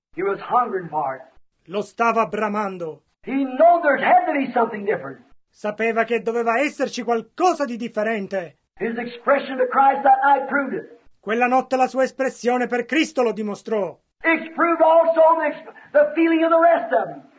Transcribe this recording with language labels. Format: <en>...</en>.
<en>He was hungering for it.</en> <it>Lo stava bramando.</it> <en>He knew there had to be something different.</en> <it>Sapeva che doveva esserci qualcosa di differente.</it> <en>His expression to Christ that night proved it.</en> <it>Quella notte la sua espressione per Cristo lo dimostrò.</it> <en>It proved also the feeling of the rest of them.</en>